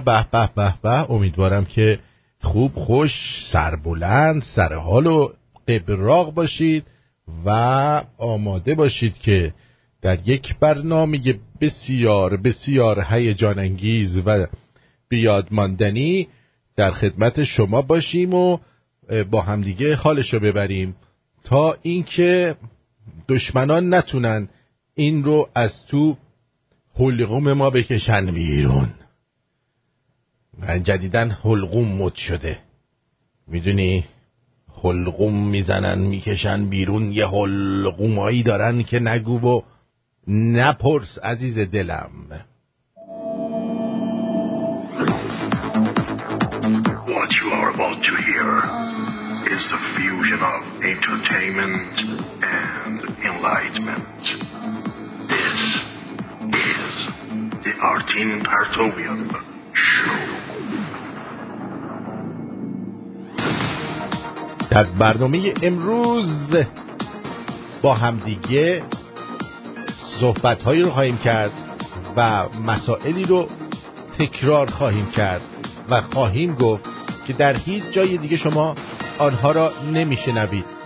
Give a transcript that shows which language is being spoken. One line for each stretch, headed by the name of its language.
Persian: به به به به، امیدوارم که خوب خوش سربلند سرحال و قبراغ باشید و آماده باشید که در یک برنامه بسیار بسیار هیجان انگیز و بیادماندنی در خدمت شما باشیم و با همدیگه حالشو ببریم تا اینکه دشمنان نتونن این رو از تو حلقوم ما بکشن بیرون. من جدیدن حلقوم مد شده، میدونی؟ حلقوم میزنن میکشن بیرون، یه حلقومایی دارن که نگو و نپرس عزیز دلم.
English: What you are about to hear is the fusion of entertainment and enlightenment. This is the Artin Partovian Show.
Persian: در برنامه امروز با همدیگه صحبت‌هایی رو خواهیم کرد و مسائلی رو تکرار خواهیم کرد و خواهیم گفت که در هیچ جای دیگه شما آنها را نمی‌شنوید.